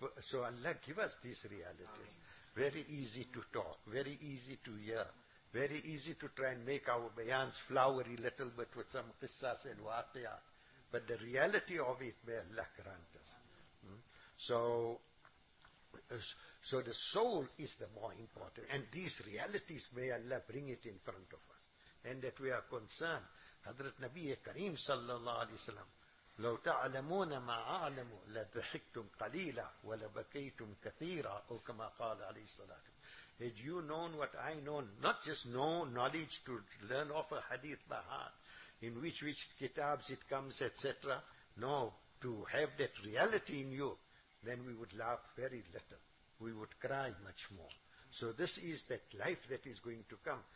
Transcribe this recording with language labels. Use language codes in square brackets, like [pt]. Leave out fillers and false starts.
[en] So Allah give us these realities. Very easy to talk, very easy to hear, very easy to try and make our bayans flowery little bit with some qissas and waqiyah. But the reality of it, may Allah grant us. So the soul is the more important. And these realities, may Allah bring it in front of us. And that we are concerned. [ar] Hadrat Nabi Kareem sallallahu alayhi wa sallam, لو تعلمون ما أعلموا لضحكتم قليلا ولبكيتم كثيرا أو كما قال عليه الصلاة والسلام. [en] Had you known what I know, not just know knowledge to learn of a hadith by heart, in which kitabs it comes, etc. No, to have that reality in you, then we would laugh very little. We would cry much more. So this is that life that is going to come.